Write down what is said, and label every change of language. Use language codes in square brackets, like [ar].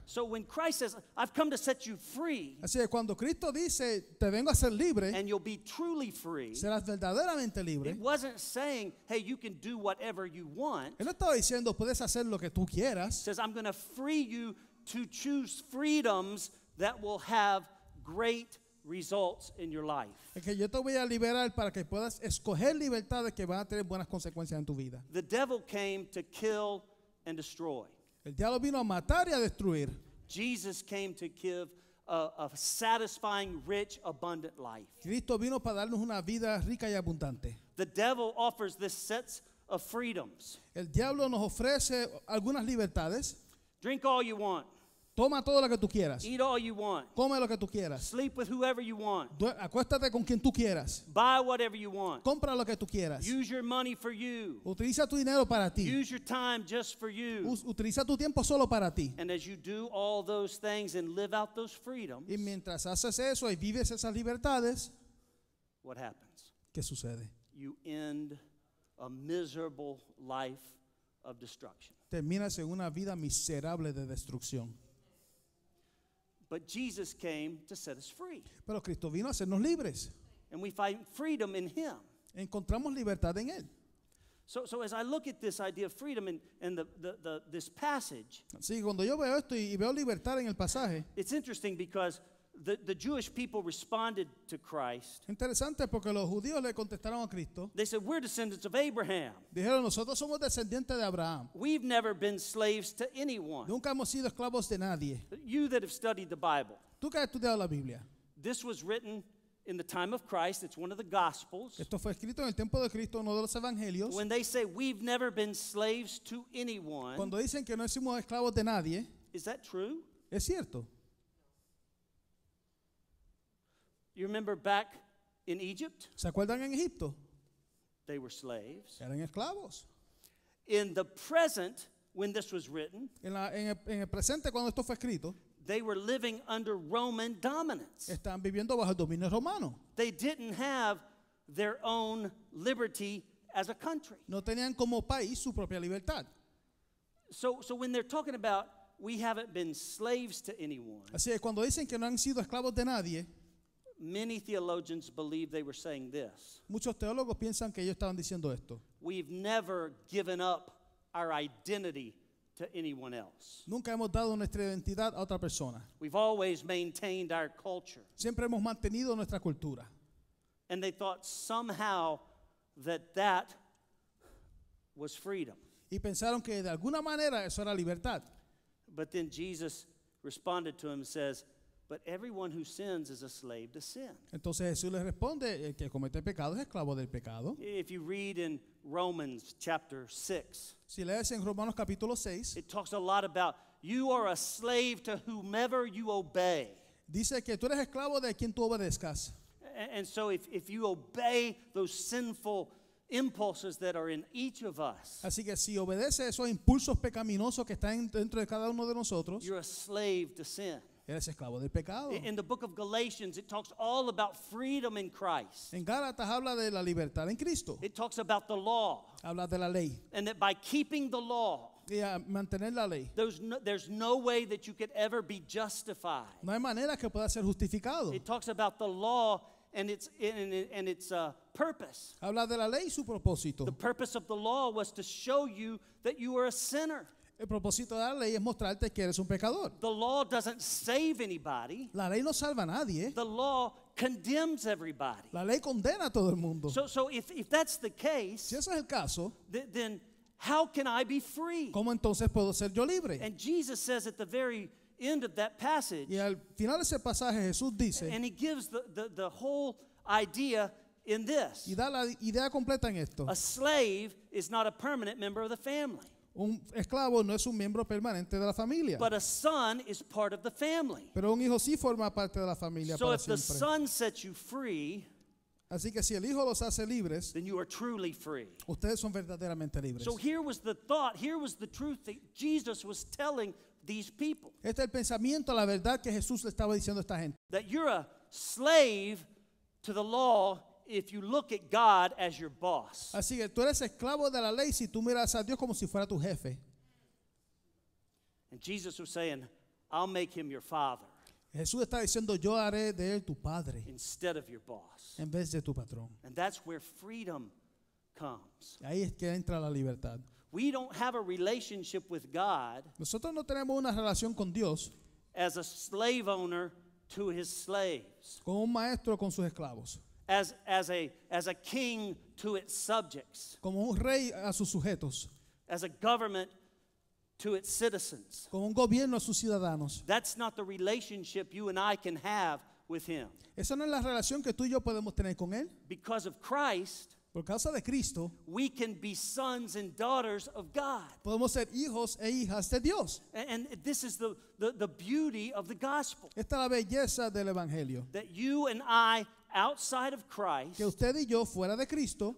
[en] So when Christ says, I've come to set you free. [es] Así que cuando Cristo dice, te vengo a ser libre. [en] And you'll be truly free. [es] Serás verdaderamente libre. [en] It wasn't saying, hey, you can do whatever you want. [es] Él no estaba diciendo, puedes hacer lo que tú quieras. [en] He says, I'm going to free you to choose freedoms that will have great results in your life. [es] Okay, yo te voy a liberar para que puedas escoger libertades que van a tener buenas consecuencias en tu vida. [en] The devil came to kill and destroy. [es] El diablo vino a matar y a destruir. [en] Jesus came to give a satisfying, rich, abundant life. [es] Cristo vino para darnos una vida rica y abundante. [en] The devil offers this sets of freedoms. [es] El diablo nos ofrece algunas libertades. [en] Drink all you want. [es] Toma todo lo que tú quieras. [en] Eat all you want. [es] Come lo que tú quieras. [en] Sleep with whoever you want. [es] Acuéstate con quien tú quieras. [en] Buy whatever you want. [es] Compra lo que tú quieras. [en] Use your money for you. [es] Utiliza tu dinero para ti. [en] Use your time just for you. [es] Utiliza tu tiempo solo para ti. [en] And as you do all those things and live out those freedoms, [es] y mientras haces eso y vives esas libertades, [en] what happens? [es] ¿Qué sucede? [en] You end a miserable life of destruction. [es] Terminas en una vida miserable de destrucción. [en] But Jesus came to set us free. [es] Pero Cristo vino a hacernos libres. [en] And we find freedom in him. [es] Encontramos libertad en él. [en] So as I look at this idea of freedom in the this passage, [es] sí, cuando yo veo esto y veo libertad en el pasaje, [en] it's interesting because The Jewish people responded to Christ. [es] Interesante porque los judíos le contestaron a Cristo. [en] They said, "We're descendants of Abraham." [es] Dijeron, nosotros somos descendientes de Abraham. [en] "We've never been slaves to anyone." [es] Nunca hemos sido esclavos de nadie. [en] "You that have studied the Bible." [es] Tú que has estudiado la Biblia. [en] "This was written in the time of Christ." It's one of the Gospels. [es] Esto fue escrito en el tiempo de Cristo, uno de los Evangelios. [en] When they say, "We've never been slaves to anyone." [es] Cuando dicen que no somos esclavos de nadie. [en] Is that true? [es] Es cierto. [en] You remember back in Egypt? [es] ¿Se acuerdan en Egipto? [en] They were slaves. [es] Eran esclavos. [en] In the present, when this was written, [es] en el presente, cuando esto fue escrito, [en] they were living under Roman dominance. [es] Están viviendo bajo el dominio romano. [en] They didn't have their own liberty as a country. [es] No tenían como país su propia libertad. [en] So when they're talking about, "We haven't been slaves to anyone." [es] Así es, cuando dicen que no han sido esclavos de nadie. [en] Many theologians believe they were saying this. [es] Muchos teólogos piensan que ellos estaban diciendo esto. [en] "We've never given up our identity to anyone else." [es] Nunca hemos dado nuestra identidad a otra persona. [en] "We've always maintained our culture." [es] Siempre hemos mantenido nuestra cultura. [en] And they thought somehow that was freedom. [es] Y pensaron que de alguna manera eso era libertad. [en] But then Jesus responded to him and says, "But everyone who sins is a slave to sin." [es] Entonces Jesús les responde, el que comete pecado es esclavo del pecado. [en] If you read in Romans chapter 6, [es] si lees en Romanos capítulo 6, [en] it talks a lot about you are a slave to whomever you obey. [es] Dice que tú eres esclavo de quien tú obedezcas. [en] And so if you obey those sinful impulses that are in each of us, [es] así que si obedeces esos impulsos pecaminosos que están dentro de cada uno de nosotros, [en] you're a slave to sin. [es] Eres esclavo del pecado. [en] In the book of Galatians, it talks all about freedom in Christ. [es] En Gálatas habla de la libertad en Cristo. [en] It talks about the law. [es] Habla de la ley. [en] And that by keeping the law, [es] mantener la ley, [en] there's no way that you could ever be justified. [es] No hay manera que pueda ser justificado. [en] It talks about the law and its purpose. [es] Habla de la ley y su propósito. [en] The purpose of the law was to show you that you were a sinner. [es] El propósito de la ley es mostrarte que eres un pecador. [en] The law doesn't save anybody. [es] La ley no salva a nadie. [en] The law condemns everybody. [es] La ley condena a todo el mundo. [en] So if that's the case, [es] si eso es el caso, [en] then how can I be free? [es] ¿Cómo entonces puedo ser yo libre? [en] And Jesus says at the very end of that passage, [es] y al final de ese pasaje Jesús dice, [en] and he gives the whole idea in this, [es] y da la idea completa en esto. [en] A slave is not a permanent member of the family. [es] Un esclavo no es un miembro permanente de la familia. [en] But a son is part of the family. [es] Pero un hijo sí forma parte de la familia para siempre. [en] So if the son sets you free, [es] así que si el hijo los hace libres, [en] then you are truly free. [es] Ustedes son verdaderamente libres. [en] So here was the thought, here was the truth that Jesus was telling these people. [es] Este es el pensamiento, la verdad que Jesús le estaba diciendo a esta gente. [en] That you're a slave to the law if you look at God as your boss. [es] Así que tú eres esclavo de la ley si tú miras a Dios como si fuera tu jefe. [en] And Jesus was saying, "I'll make him your father." [es] Jesús está diciendo, yo haré de él tu padre. [en] Instead of your boss. [es] En vez de tu patrón. [en] And that's where freedom comes. [es] Ahí es que entra la libertad. [en] We don't have a relationship with God. [es] Nosotros no tenemos una relación con Dios. [en] As a slave owner to his slaves. [es] Con un maestro con sus esclavos. [en] As a king to its subjects. [es] Como un rey a sus sujetos. [en] As a government to its citizens. [es] Como un gobierno a sus ciudadanos. [en] That's not the relationship you and I can have with him. [es] Esa no es la relación que tú y yo podemos tener con él. [en] Because of Christ, [es] por causa de Cristo, [en] we can be sons and daughters of God. [es] Podemos ser hijos e hijas de Dios. [en] And this is the beauty of the gospel. [es] Esta es la belleza del evangelio. [en] That you and I, outside of Christ, [es] que usted y yo, fuera de Cristo,